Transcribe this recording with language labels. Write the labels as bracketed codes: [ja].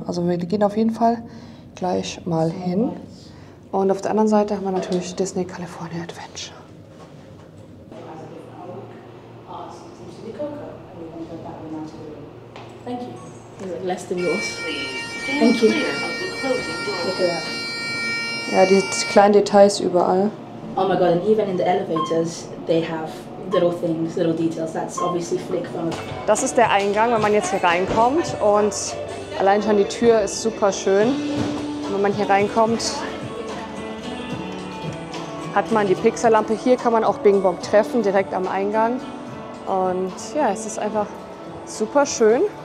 [de] Also wir gehen auf jeden Fall gleich mal hin. Und auf der anderen Seite haben wir natürlich Disney California Adventure. [en] Thank you. [de] Ja, die kleinen Details überall. [en] Oh my god, and even in the elevators, they have little things, little details. That's obviously Flick from. [de] Das ist der Eingang, wenn man jetzt hier reinkommt. Und allein schon die Tür ist super schön. Wenn man hier reinkommt, hat man die Pixar-Lampe. Hier kann man auch Bing Bong treffen, direkt am Eingang. Und ja, es ist einfach super schön.